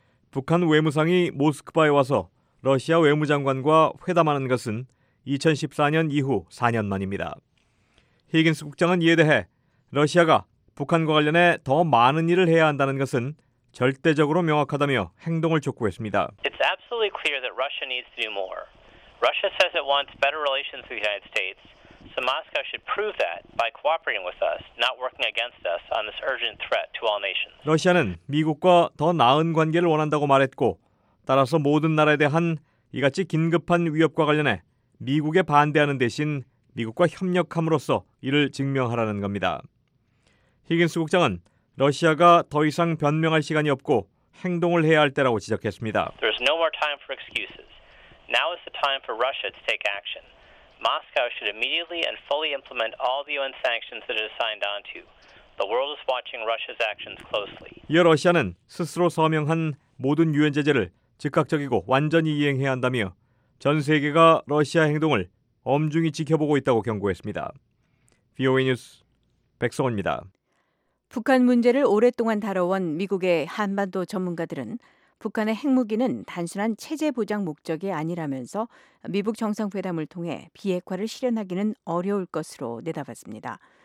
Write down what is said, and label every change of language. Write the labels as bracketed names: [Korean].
[Korean] 북한 외무상이 모스크바에 와서 러시아 외무장관과 회담하는 것은 2014년 이후 4년 만입니다. 히긴스 국장은 이에 대해 러시아가 북한과 관련해 더 많은 일을 해야 한다는 것은 절대적으로 명확하다며 행동을 촉구했습니다. [English] It's absolutely clear that Russia needs to do more. Russia says it wants better relations with the United States. So Moscow should prove that by cooperating with us, not working against us on this urgent threat to all nations. [Korean] 러시아는 미국과 더 나은 관계를 원한다고 말했고, 따라서 모든 나라에 대한 이같이 긴급한 위협과 관련해 미국에 반대하는 대신 미국과 협력함으로써 이를 증명하라는 겁니다. 히긴스 국장은 러시아가 더 이상 변명할 시간이 없고 행동을 해야 할 때라고 지적했습니다. [English] There's no more time for excuses. Now is the time for Russia to take action. Moscow should immediately and fully implement all the UN sanctions that it has signed on to. The world is watching Russia's actions closely. [Korean] 이어 러시아는 스스로 서명한 모든 유엔 제재를 즉각적이고 완전히 이행해야 한다며 전 세계가 러시아 행동을 엄중히 지켜보고 있다고 경고했습니다. VOA 뉴스 백성원입니다. 북한 문제를 오랫동안 다뤄온 미국의 한반도 전문가들은 북한의 핵무기는 단순한 체제 보장 목적이 아니라면서 미북 정상회담을 통해 비핵화를 실현하기는 어려울 것으로 내다봤습니다.